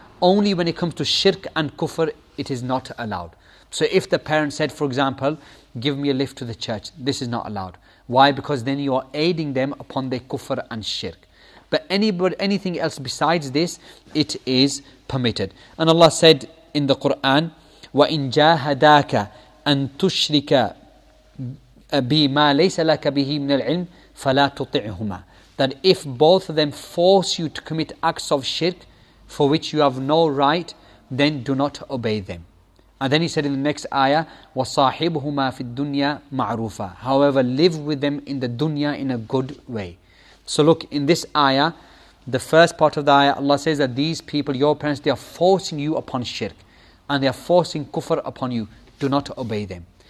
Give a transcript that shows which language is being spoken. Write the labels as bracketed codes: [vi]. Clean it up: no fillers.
[en] Only when it comes to shirk and kufr, it is not allowed. So if the parent said, for example, give me a lift to the church, this is not allowed. Why? Because then you are aiding them upon their kufr and shirk. But anything else besides this, it is permitted. And Allah said in the Quran, [ar] وَإِن جَاهَدَاكَ أَن تُشْرِكَ بِمَا لَيْسَ لَكَ بِهِ مِنَ الْعِلْمِ فَلَا تُطِعْهُمَا. [en] That if both of them force you to commit acts of shirk for which you have no right, then do not obey them. And then he said in the next ayah, [ar] وَصَاحِبْهُمَا فِي الدُّنْيَا مَعْرُوفًا. [en] However, live with them in the dunya in a good way. So look, in this ayah, the first part of the ayah, Allah says that these people, your parents, they are forcing you upon shirk, and they are forcing kufr upon you. Do not obey them.